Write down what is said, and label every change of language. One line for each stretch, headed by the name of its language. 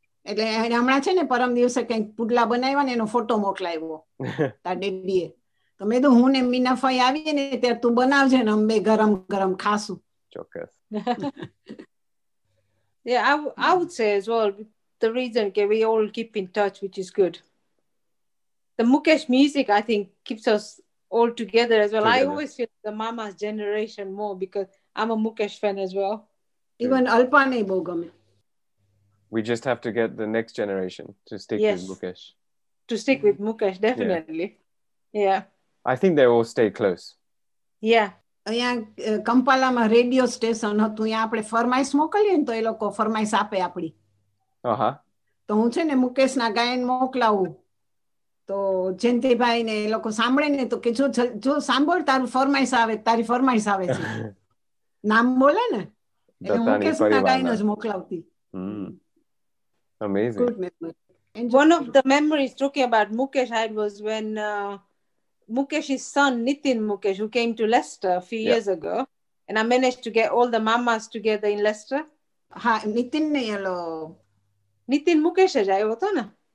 Gujarati: એટલે એને હમણાં છે ને પરમ દિવસે કઈક પુડલા બનાવ્યા ને એનો ફોટો મોકલાવ્યો તાર ડેડીએ, તો મેં તો હું ને મીનાફાઈ આવીએ ને ત્યારે તું બનાવજે ને અમે ગરમ ગરમ ખાશું. ચોક્કસ.
English: Yeah, I would say as well, the reason that we all keep in touch, which is good. The Mukesh music, I think, keeps us all together as well. Together. I always feel the mama's generation more because I'm a Mukesh fan as well.
Gujarati: Even Alpa ne bo game.
English: We just have to get the next generation to stick with Mukesh. To stick with Mukesh, definitely. Yeah. I think they all stay close. Yeah.
Gujarati: અહીંયા કંપાલામાં radio station હતું, અહીંયા આપણે ફરમાઈશ મોકલીએ ને તો એ લોકો ફરમાઈશ આપે આપણી. હા, તો હું છે ને મુકેશના ગાયન મોકલાવું તો જયંતિભાઈ ને એ લોકો સાંભળે ને તો કે જો સાંભળ તારું ફરમાઈશ આવે, તારી ફરમાઈશ આવે છે, નામ બોલે ને એટલે હું કે સુના ગાઈને જ મોકલાવતી.
English: Amazing. Good memory. Enjoy. One of the memories talking about Mukesh had was when Mukesh's son Nitin Mukesh, who came to Leicester a few years ago, and I managed to get all the mamas together in Leicester.
Gujarati: Ha, Nitin ne yalo. Nitin Mukesh jay ho to na.